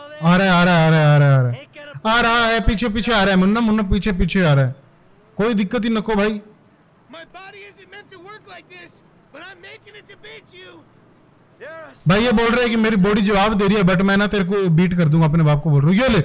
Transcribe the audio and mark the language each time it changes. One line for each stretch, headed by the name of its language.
Hindi: आ रहा है पीछे आ रहा है मुन्ना पीछे आ रहा है। कोई दिक्कत ही नको भाई।
English: My body isn't meant to work like this, but I'm making it to beat you.
Hindi: भाई ये बोल रहा है कि मेरी बॉडी जवाब दे रही है बट मैं ना तेरे को बीट कर दूंगा, अपने बाप को बोल रहा हूँ।